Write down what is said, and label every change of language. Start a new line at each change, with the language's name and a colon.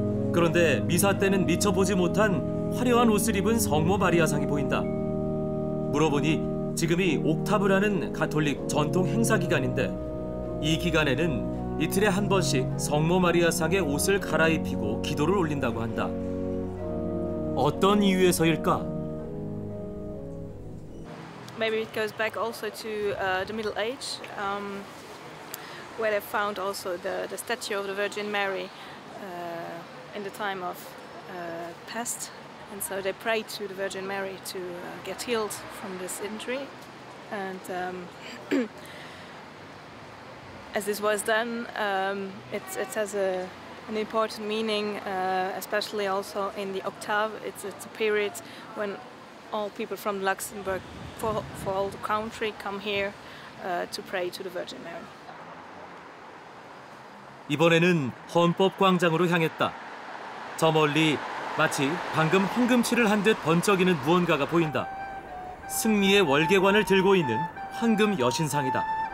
Korean: 그런데 미사 때는 미처 보지 못한 화려한 옷을 입은 성모 마리아상이 보인다. 물어보니 지금이 옥타브라는 가톨릭 전통 행사 기간인데 이 기간에는 이틀에 한 번씩 성모 마리아상의 옷을 갈아입히고 기도를 올린다고 한다. 어떤 이유에서일까?
English: Maybe it goes back also to the Middle Age, where they found also the statue of the Virgin Mary in the time of pest. And so they prayed to the Virgin Mary to get healed from this injury. And as this was done, it has an important meaning, especially also in the Octave. It's a period when all people from Luxembourg, for all the country, come here to pray to the Virgin Mary.
Korean: 이번에는 헌법 광장으로 향했다. 저 멀리 마치 방금 황금칠을 한 듯 번쩍이는 무언가가 보인다. 승리의 월계관을 들고 있는 황금 여신상이다.